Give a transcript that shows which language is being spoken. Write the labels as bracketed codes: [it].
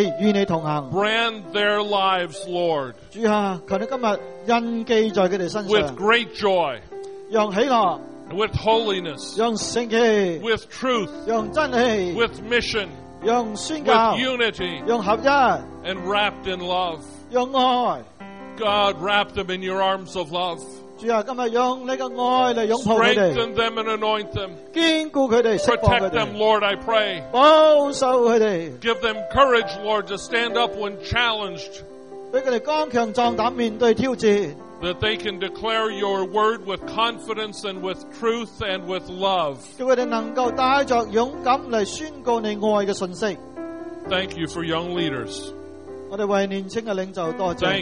[en] Brand their lives, Lord, with great joy, with holiness, with truth, with mission. [zh] 用宣 [en] 教, with unity, [zh] 用合一, [en] and wrapped in love. [zh] 用爱, [en] God, wrap them in your arms of love. [zh] 主啊, 今天用你的爱来拥抱他们, [en] strengthen them and anoint them. [zh] 坚固他们, [en] protect them, Lord, I pray. [zh] 保守他们, [en] give them courage, Lord, to stand up when challenged. [zh] 让他们刚强壮胆面对挑战, [en] that they can declare your word with confidence and with truth and with love. [zh] 叫他们能够带着勇敢来宣告你爱的信息。 [en] Thank you for young leaders. [zh] 我们为年轻的领袖多谢你。